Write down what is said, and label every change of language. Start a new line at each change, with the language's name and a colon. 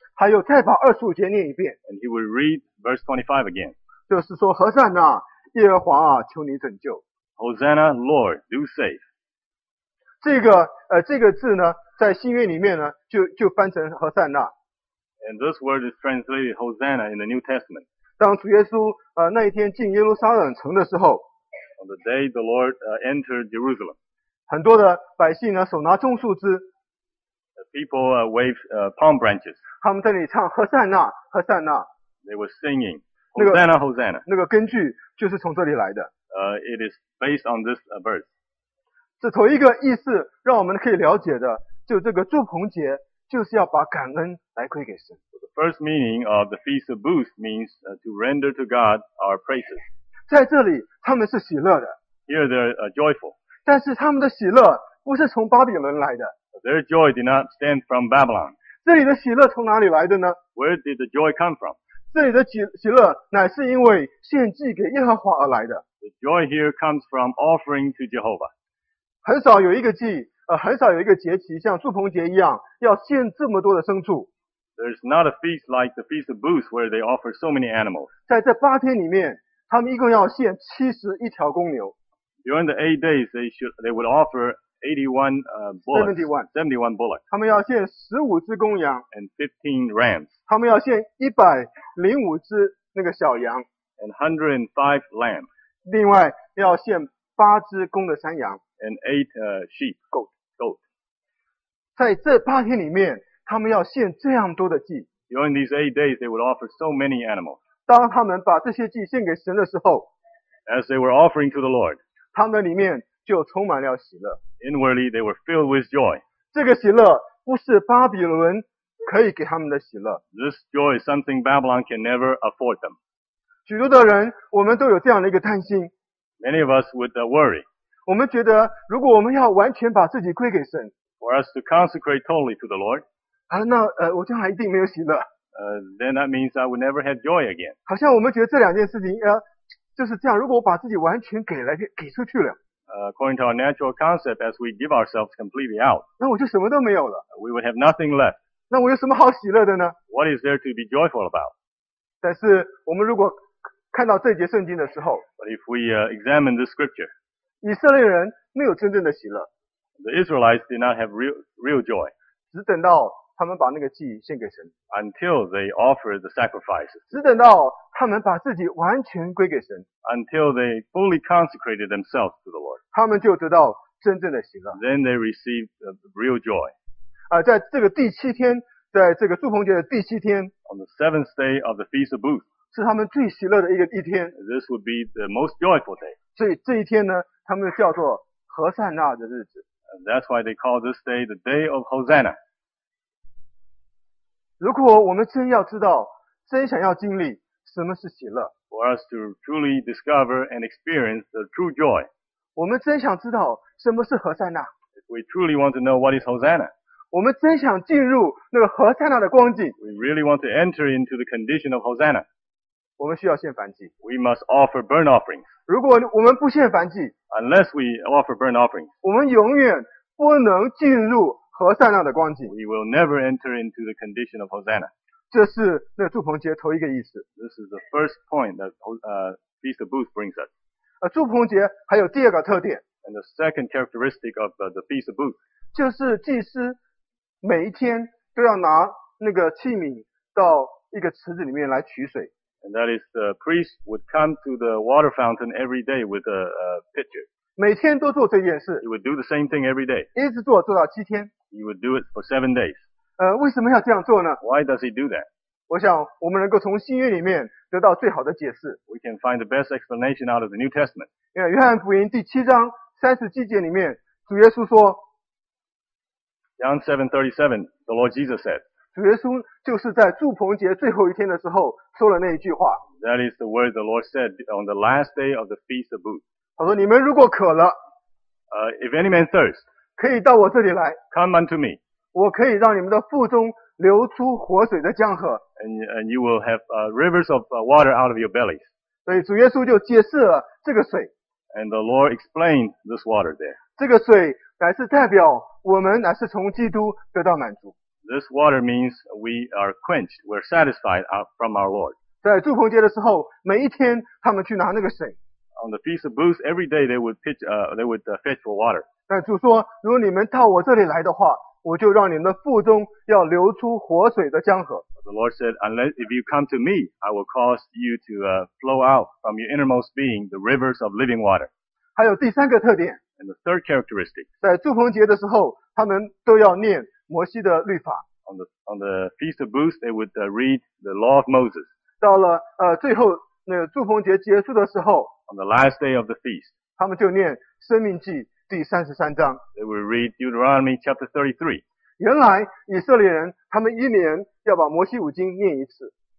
Chinese: 还有再把二十五节念一遍。
English: And he would read verse 25 again.
Chinese: 就是说何善呐、啊。耶和华啊，求你拯救。
English: Hosanna, Lord, do save.
Chinese: 这个字呢，在新约里面呢，就翻成何塞纳。
English: And this word is translated Hosanna in the New Testament.
Chinese: 当主耶稣那一天进耶路撒冷城的时候
English: ，On the day the Lord entered Jerusalem,
Chinese: 很多的百姓呢，手拿棕树枝
English: ，The people waved palm branches.
Chinese: 他们在那里唱何塞纳，何塞纳。
English: They were singing. Hosanna, Hosanna.
Chinese: 那个根据就是从这里来的。
English: It is based on this verse.
Chinese: 这头一个意思让我们可以了解的，就这个祝棚节就是要把感恩来归给神。
English: The first meaning of the Feast of Booths means to render to God our praises.
Chinese: 在这里他们是喜乐的。
English: Here they are joyful.
Chinese: 但是他们的喜乐不是从巴比伦来的。
English: Their joy did not stem from Babylon.
Chinese: 这里的喜乐从哪里来的呢？
English: Where did the joy come from?
Chinese: 这里的喜乐乃是因为献祭给耶和华而来的。
English: The joy here comes from offering to Jehovah.
Chinese: 很少有一个祭，很少有一个节期像祝棚节一样要献这么多的牲畜。
English: There's not a feast like the Feast of Booths where they offer so many animals.
Chinese: 在这八天里面，他们一共要献71条公牛。
English: During the 8 days, they would offer 81 bullocks. 71 bullocks.
Chinese: 他们要献15只公羊。
English: And 15 rams.
Chinese: 他们要献105只那个小羊。
English: And 105 lambs.
Chinese: 另外要献8只公的山羊。
English: And 8 sheep. Goat.
Chinese: 在这八天里面，他们要献这样多的祭。
English: During these 8 days, they would offer so many animals.
Chinese: 当他们把这些祭献给神的时候，
English: As they were offering to the Lord,
Chinese: 他们里面就充满了喜乐。
English: Inwardly, they were filled with joy.
Chinese: 这个喜乐不是巴比伦可以给他们的喜乐。
English: This joy is something Babylon can never afford them.
Chinese: 许多的人，我们都有这样的一个担心。
English: Many of us would worry.
Chinese: 我们觉得，如果我们要完全把自己归给神
English: ，for us to consecrate totally to the Lord,
Chinese: 我将来一定没有喜乐。
English: Then that means I would never have joy again.
Chinese: 好像我们觉得这两件事情，就是这样。如果我把自己完全给出去了。
English: According to our natural concept, as we give ourselves completely out,
Chinese: 那我就什么都没有了。
English: We would have nothing left.
Chinese: 那我有什么好喜乐的呢？
English: What is there to be joyful about?
Chinese: 但是我们如果看到这节圣经的时候，
English: But if we examine the scripture,
Chinese: 以色列人没有真正的喜乐。
English: The Israelites did not have real joy.
Chinese: 只等到他们把那个祭献给神。
English: Until they offered the sacrifices.
Chinese: 只等到他们把自己完全归给神。
English: Until they fully consecrated themselves to the Lord.
Chinese: 他们就得到真正的喜乐。
English: Then they received real joy.
Chinese: 在这个第七天，在这个祝棚节的第七天。
English: On the seventh day of the Feast of Booths.
Chinese: 是他们最喜乐的一天。
English: This would be the most joyful day.
Chinese: 所以这一天呢，他们叫做何善纳的日子。
English: And that's why they call this day the Day of Hosanna.
Chinese: 如果我们真要知道，真想要经历什么是喜乐，
English: For us to truly discover and experience the true joy,
Chinese: 我们真想知道什么是何塞纳，
English: If we truly want to know what is Hosanna,
Chinese: 我们真想进入那个何塞纳的光景，
English: We really want to enter into the condition of Hosanna,
Chinese: 我们需要献燔祭，
English: We must offer burnt offerings.
Chinese: 如果我们不献燔祭，
English: Unless we offer burnt offerings,
Chinese: 我们永远不能进入何塞纳的光景。
English: We will never enter into the condition of Hosanna.
Chinese: 这是那祝棚节头一个意思。
English: This is the first point that Feast of Booths brings us.
Chinese: 祝棚节还有第二个特点。
English: And the second characteristic of the Feast of Booths.
Chinese: 就是祭司每一天都要拿那个器皿到一个池子里面来取水。
English: And that is the priest would come to the water fountain every day with a pitcher.
Chinese: 每天都做这件事。
English: He would do the same thing every day.
Chinese: 一直做，做到七天。
English: He would do it for 7 days.
Chinese: 为什么要这样做呢？
English: Why does he do that?
Chinese: 我想我们能够从新约里面得到最好的解释。
English: We can find the best explanation out of the New Testament.
Chinese: 因为约翰福音第七章三十七节里面，主耶稣说。
English: John 7:37, the Lord Jesus said.
Chinese: 主耶稣就是在祝棚节最后一天的时候说了那一句话。
English: That is the word the Lord said on the last day of the Feast of Booths.
Chinese: 他说：“你们如果渴了
English: ，if any man thirst,
Chinese: 可以到我这里来。
English: Come unto me.
Chinese: 我可以让你们的腹中流出活水的江河。
English: And you will have rivers of water out of your bellies.
Chinese: 所以主耶稣就解释了这个水。
English: And the Lord explained this water there.
Chinese: 这个水乃是代表我们乃是从基督得到满足。
English: This water means we are quenched, we're satisfied from our Lord.
Chinese: 在祝棚节的时候，每一天他们去拿那个水。
English: On the Feast of Booths, every day they would fetch for water.
Chinese: 但主说，如果你们到我这里来的话，我就让你们的腹中要流出活水的江河。
English: The Lord said, unless if you come to me, I will cause you to flow out from your innermost being the rivers of living water.
Chinese: 还有第三个特点。
English: And the third characteristic.
Chinese: 在祝棚节的时候，他们都要念摩西的律法。
English: On the Feast of Booths, they would read the Law of Moses.
Chinese: 到了最后那祝棚节结束的时候
English: ，On the last day of the feast,
Chinese: 他们就念生命记第三十三章。
English: They would read Deuteronomy chapter 33.
Chinese: 原来以色列人他们一年要把摩西五经念一次。